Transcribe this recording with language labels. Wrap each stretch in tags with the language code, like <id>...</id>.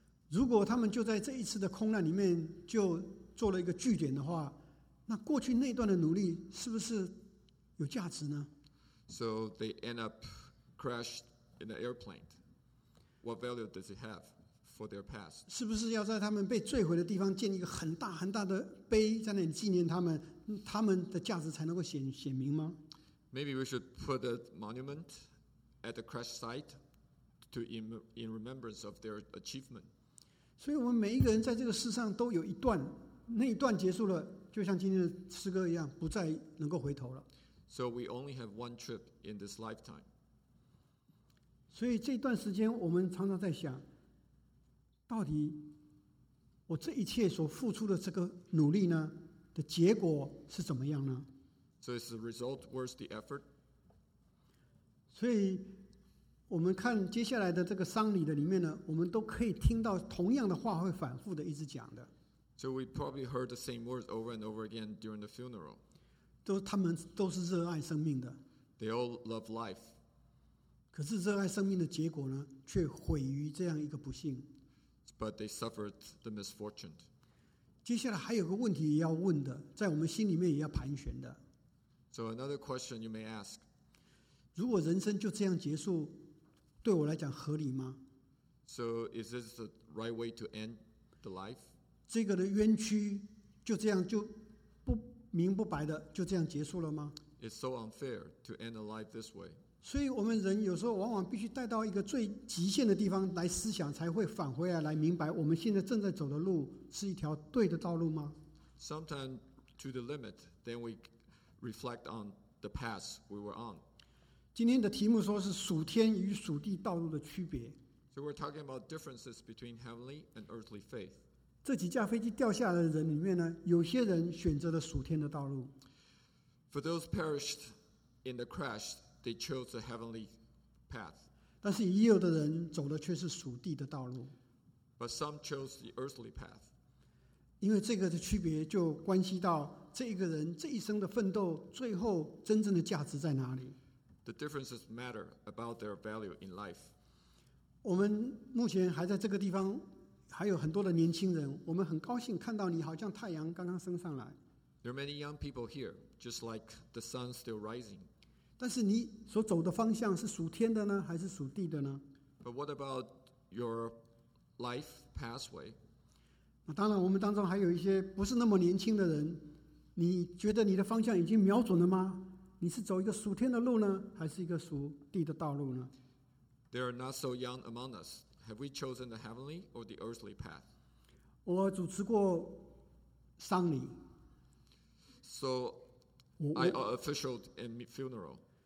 <zh>如果他们就在这一次的空难里面就做了一个据点的话，那过去那段的努力是不是有价值呢？</zh> <en>So they end up crashed in an airplane. What value does it have for their past?</en> <zh>是不是要在他们被坠毁的地方建一个很大很大的碑在那里纪念他们，他们的价值才能够 显明吗？</zh> <en>Maybe we should put a monument at the crash site to in remembrance of their achievement.</en> <zh>所以我们每一个人在这个世上都有一段，那一段结束了，就像今天的诗歌一样，不再能够回头了。</zh> <en>So we only have one trip in this lifetime.</en> <zh>所以这段时间我们常常在想，到底我这一切所付出的这个努力呢，的结果是怎么样呢？</zh> <en>So is the result worth the effort?</en> <zh>所以我们看接下来的这个丧礼的里面呢，我们都可以听到同样的话会反复的一直讲的。</zh> <en>So we probably heard the same words over and over again during the funeral.</en> <zh>他们都是热爱生命的。</zh> <en>They all love life.</en> <zh>可是热爱生命的结果呢，却毁于这样一个不幸。</zh> <en>But they suffered the misfortune.</en> <zh>接下来还有个问题也要问的，在我们心里面也要盘旋的。</zh> <en>So another question you may ask.</en> <zh>如果人生就这样结束，对我来讲合理吗？</zh> <en>So is this the right way to end the life?</en> <zh>这个的冤屈就这样就不明不白的就这样结束了吗？</zh> <en>It's so unfair to end a life this way.</en> <zh>所以我们人有时候往往必须带到一个最极限的地方来思想，才会返回来来明白我们现在正在走的路是一条对的道路吗？</zh> <en>Sometimes to the limit, then we reflect on the path we were on.</en> <zh>今天的题目说是属天与属地道路的区别。</zh> <en>So we're talking about differences between heavenly and earthly faith.</en> <zh>这几架飞机掉下来的人里面呢，有些人选择了属天的道路。</zh> <en>For those perished in the crash, they chose the heavenly path.</en> <zh>但是也有的人走的却是属地的道路。</zh> <en>But some chose the earthly path.</en> <zh>因为这个的区别就关系到这一个人这一生的奋斗，最后真正的价值在哪里。</zh> <en>The differences matter about their value in life.</en> <zh>我们目前还在这个地方，还有很多的年轻人。我们很高兴看到你，好像太阳刚刚升上来。</zh> <en>There are many young people here, just like the sun still rising.</en> <zh>但是你所走的方向是属天的呢，还是属地的呢？</zh> <en>But what about your life pathway.</en> <zh>那当然，我们当中还有一些不是那么年轻的人，你觉得你的方向已经瞄准了吗？你是走一个属天的路呢，还是一个属地的道路呢？</zh> <en>There are not so young among us. Have we chosen the heavenly or the earthly path?</en> <zh>我主持过丧礼。</zh> <en>So I officiated a funeral.</en>